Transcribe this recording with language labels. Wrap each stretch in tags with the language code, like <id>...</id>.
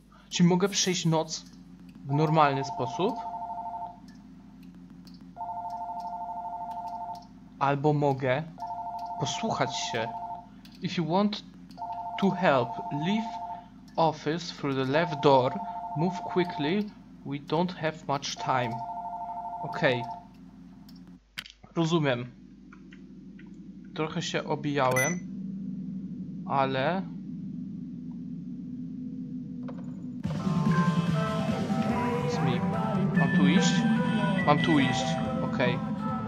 <pl>Czy mogę przejść noc w normalny sposób? Albo mogę posłuchać się.</pl> <en>If you want to help, leave office through the left door. Move quickly, we don't have much time.</en> <pl>Okej. Okay. Rozumiem. Trochę się obijałem, ale...</pl> <en>It's me.</en> <pl>Mam tu iść? Mam tu iść, okej. Okay.</pl>